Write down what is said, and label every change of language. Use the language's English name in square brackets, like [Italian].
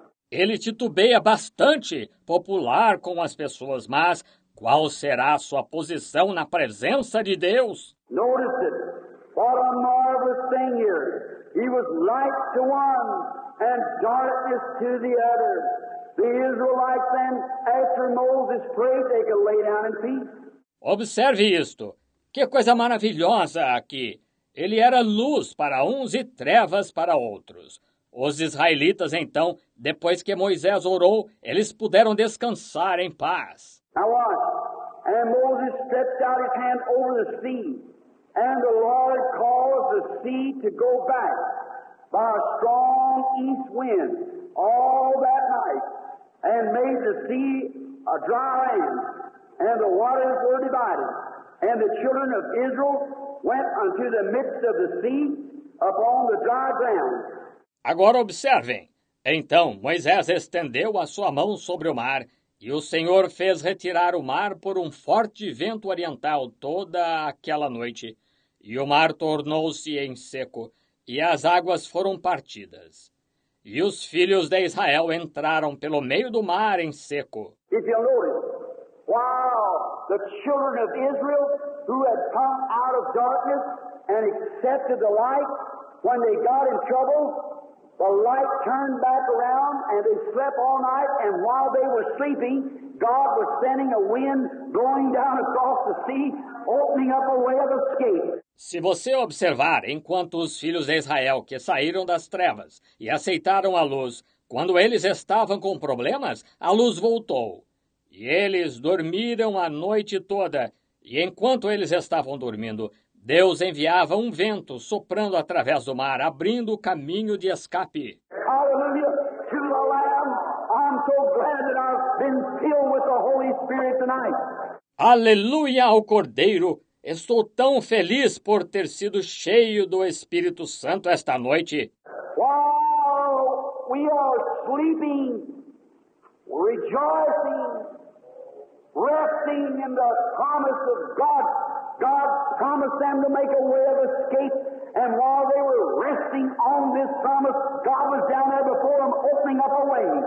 [Portuguese] Ele titubeia bastante popular com as pessoas, mas qual será a sua posição na presença de Deus? [English] Notice it. What a marvelous thing here. He was light to one and darkness to the other. The Israelites then, after Moses prayed, they could lay down in peace. [Portuguese] Observe isto. Que coisa maravilhosa aqui. Ele era luz para uns e trevas para outros. Os israelitas, então, depois que Moisés orou, eles puderam descansar em paz. [English] Now watch. And Moses stretched out his hand over the sea. And the Lord caused the sea to go back by a strong east wind all that night. And made the sea a dry land. And the waters were divided. And the children of Israel went unto the midst of the sea upon the dry ground. [Portuguese] Agora observem. Então Moisés estendeu a sua mão sobre o mar, e o Senhor fez retirar o mar por um forte vento oriental toda aquela noite. E o mar tornou-se em seco, e as águas foram partidas. E os filhos de Israel entraram pelo meio do mar em seco. [English] If you notice, while the children of Israel who had come out of darkness and accepted the light, when they got in trouble, the light turned back around and they slept all night, and while they were sleeping, God was sending a wind going down across the sea, opening up a way of escape. [Portuguese] Se você observar, enquanto os filhos de Israel que saíram das trevas e aceitaram a luz, quando eles estavam com problemas, a luz voltou. E eles dormiram a noite toda, e enquanto eles estavam dormindo, Deus enviava um vento soprando através do mar, abrindo o caminho de escape. Aleluia! [English] To the Lamb, I'm so glad that I've been filled with the Holy Spirit tonight. [Portuguese] Aleluia ao Cordeiro! Estou tão feliz por ter sido cheio do Espírito Santo esta noite. [English] While we are sleeping, rejoicing, resting in the promise of God. God promised them to make a way of escape. And while they were resting on this promise, God was down there before them, opening up a way.